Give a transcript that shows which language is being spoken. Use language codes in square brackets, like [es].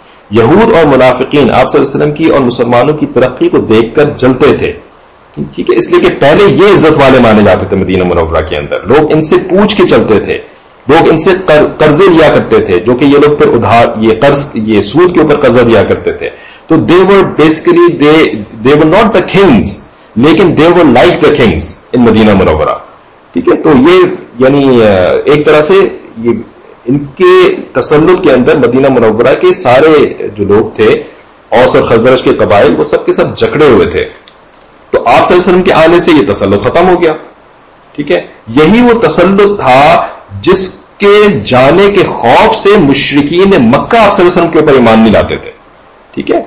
[ur] یہود اور منافقین آپ صلی اللہ علیہ وسلم کی اور مسلمانوں کی ترقی کو دیکھ کر جلتے تھے, ٹھیک ہے, اس لیے کہ پہلے یہ عزت والے مانے جاتے تھے مدینہ منورہ کے اندر, لوگ ان سے پوچھ کے چلتے تھے, لوگ ان سے قرضے لیا کرتے تھے, جو کہ یہ لوگ پھر ادھار یہ قرض یہ سود کے اوپر قرضہ دیا کرتے تھے. تو [en] they were basically they were not the kings, [ur] لیکن [en] they were like the kings in Madinah Munawwarah, [ur] ٹھیک ہے. تو یہ یعنی ایک طرح سے یہ ان کے تسلط کے اندر مدینہ منورہ کے سارے جو لوگ تھے اوس اور خزرج کے قبائل وہ سب کے سب جکڑے ہوئے تھے. تو آپ صلی اللہ علیہ وسلم کے آنے سے یہ تسلط ختم ہو گیا, ٹھیک ہے. یہی وہ تسلط تھا جس کے جانے کے خوف سے مشرکین مکہ آپ صلی اللہ علیہ وسلم کے اوپر ایمان نہیں لاتے تھے, ٹھیک ہے.